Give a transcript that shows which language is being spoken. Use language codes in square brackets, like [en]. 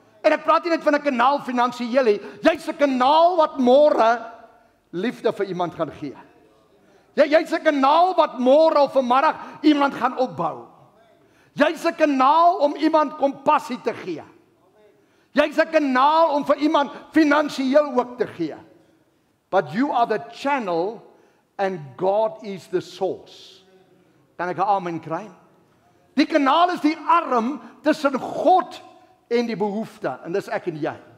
[af] En ek praat nie net van 'n kanaal finansiëel nie. Jy's 'n kanaal wat môre liefde vir iemand gaan gee. Jy's 'n kanaal wat môre of vanmôre iemand gaan opbou. Jy's 'n kanaal om iemand kompassie te gee. Jy's 'n kanaal om vir iemand finansiëel ook te gee. [en] But you are the channel and God is the source. [af] Kan ek 'n amen kry? Die kanaal is die arm tussen God en die behoefte en dis ek en jy.